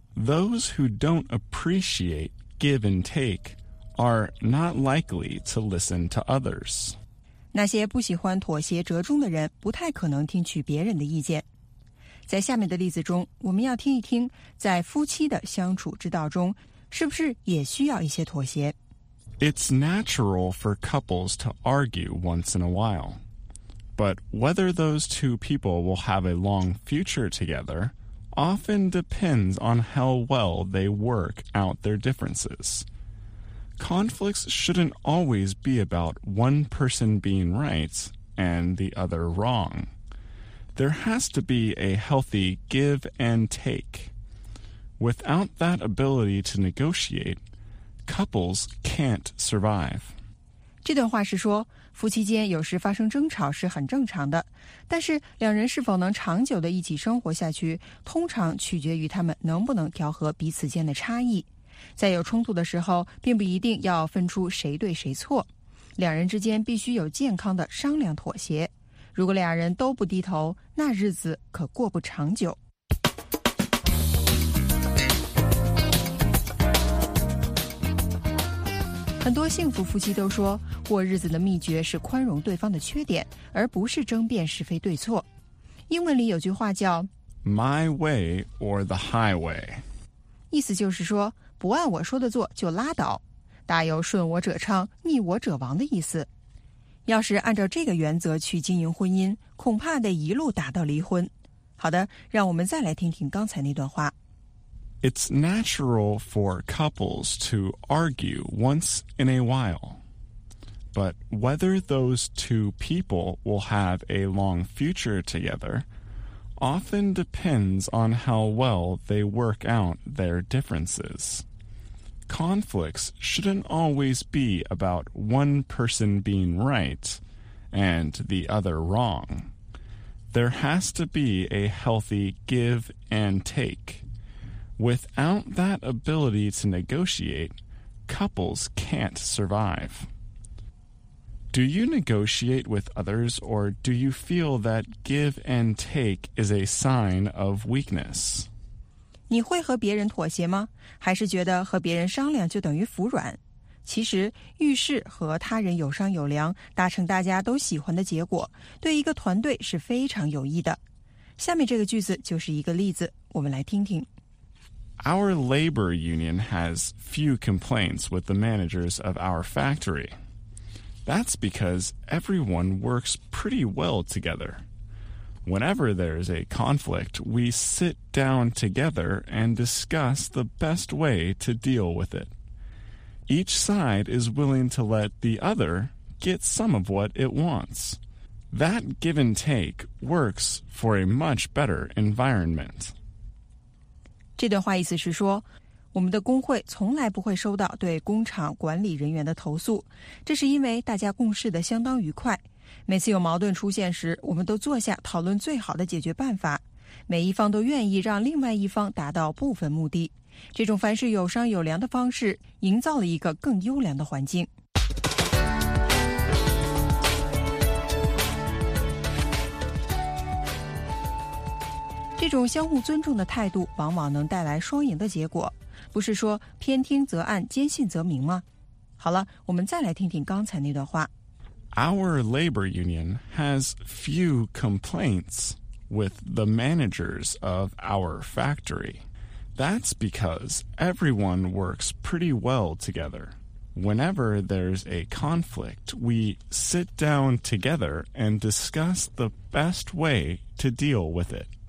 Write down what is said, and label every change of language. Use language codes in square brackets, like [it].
[en] Those who don't appreciate give and take are not likely to listen to others [zh] 那些不喜欢妥协折中的人不太可能听取别人的意见在下面的例子中我们要听一听在夫妻的相处之道中是不是也需要一些妥协 [en] It's natural for couples to argue once in a while. But whether those two people will have a long future together often depends on how well they work out their differences. Conflicts shouldn't always be about one person being right and the other wrong. There has to be a healthy give and take. Without that ability to negotiate,Couples can't survive. [zh] 这段话是说，夫妻间有时发生争吵是很正常的，但是两人是否能长久地一起生活下去，通常取决于他们能不能调和彼此间的差异。在有冲突的时候，并不一定要分出谁对谁错，两人之间必须有健康的商量妥协。如果俩人都不低头，那日子可过不长久。很多幸福夫妻都说，过日子的秘诀是宽容对方的缺点，而不是争辩是非对错。英文里有句话叫 [en] My way or the highway， [zh] 意思就是说不按我说的做就拉倒，大有顺我者昌逆我者亡的意思。要是按照这个原则去经营婚姻，恐怕得一路打到离婚。好的，让我们再来听听刚才那段话。 [en] It's natural for couples to argue once in a while. But whether those two people will have a long future together often depends on how well they work out their differences. Conflicts shouldn't always be about one person being right and the other wrong. There has to be a healthy give and take. Without that ability to negotiate, couples can't survive. Do you negotiate with others, or do you feel that give and take is a sign of weakness? [zh] 你会和别人妥协吗？还是觉得和别人商量就等于服软？其实，遇事和他人有商有量，达成大家都喜欢的结果，对一个团队是非常有益的。下面这个句子就是一个例子，我们来听听。 [en] Our labor union has few complaints with the managers of our factory. That's because everyone works pretty well together. Whenever there's a conflict, we sit down together and discuss the best way to deal with it. Each side is willing to let the other get some of what it wants. That give and take works for a much better environment. [zh] 这段话意思是说，我们的工会从来不会收到对工厂管理人员的投诉，这是因为大家共事的相当愉快。每次有矛盾出现时，我们都坐下讨论最好的解决办法，每一方都愿意让另外一方达到部分目的。这种凡事有商有量的方式，营造了一个更优良的环境。这种相互尊重的态度往往能带来双赢的结果，不是说偏听则暗，坚信则明吗？好了，我们再来听听刚才那段话。 [en] Our labor union has few complaints with the managers of our factory. That's because everyone works pretty well together. Whenever there's a conflict, we sit down together and discuss the best way to deal with it.